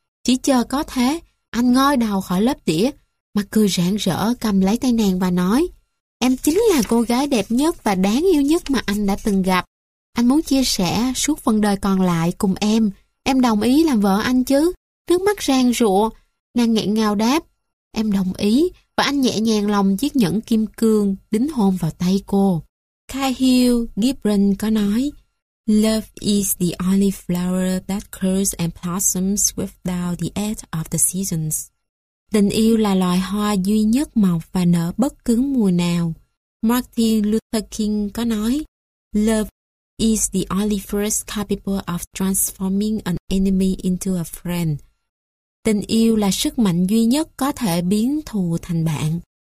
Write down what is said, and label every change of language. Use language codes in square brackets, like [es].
[vi] Chỉ chờ có thế, anh ngoi đầu khỏi lớp đĩa, mặt cười rạng rỡ cầm lấy tay nàng và nói: "Em chính là cô gái đẹp nhất và đáng yêu nhất mà anh đã từng gặp. Anh muốn chia sẻ suốt phần đời còn lại cùng em. Em đồng ý làm vợ anh chứ?" Nước mắt ràn rụa, nàng nghẹn ngào đáp: "Em đồng ý." Và anh nhẹ nhàng lòng chiếc nhẫn kim cương đính hôn vào tay cô. [en] Cahill Gibran [vi] có nói: [en] "Love is the only flower that grows and blossoms without the aid of the seasons." [vi] Tình yêu là loài hoa duy nhất mọc và nở bất cứ mùa nào. [en] Martin Luther King [vi] có nói: [en] "Love is the only force capable of transforming an enemy into a friend." [vi] Tình yêu là sức mạnh duy nhất có thể biến thù thành bạn.